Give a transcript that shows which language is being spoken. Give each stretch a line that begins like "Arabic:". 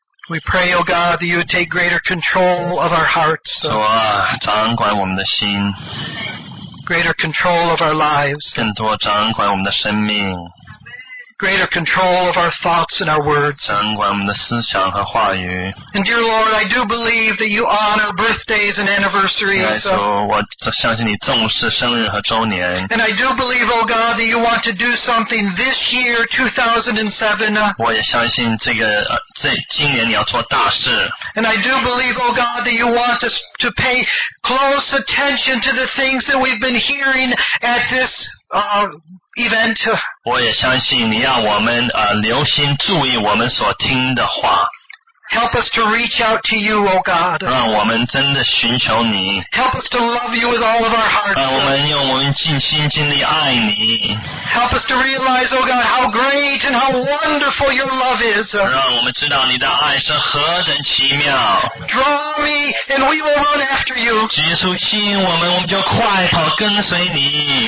English: We pray, O God, that you would take greater control of our hearts.
Chinese: 主啊，掌管我们的心。
English: Greater control of our lives.
Chinese: 更多掌管我们的生命。
English: Greater control of our thoughts and our words.
Chinese: 掌管我们的思想和话语。
English: And dear Lord, I do believe that you honor birthdays and anniversaries.
Chinese: 主，我相信你重视生日和周年。
English: And I do believe, O God, that you want to do something this year, 2007.
Chinese: 我也相信这个今年你要做大事。
English: And I do believe, O God, that you want us to pay close attention to the things that we've been hearing at this event.
Chinese: 我也相信你要我们留心注意我们所听的话。
English: Help us to reach out to you, O God.
Chinese: 让我们真的寻求你。
English: Help us to love you with all of our hearts.
Chinese: 让我们用我们尽心尽力爱你。
English: Help us to realize, O God, how great and how wonderful your love is.
Chinese: 让我们知道你的爱是何等奇妙。
English: Draw me, and we will run after you.
Chinese: 主耶稣吸引我们，我们就快跑跟随你。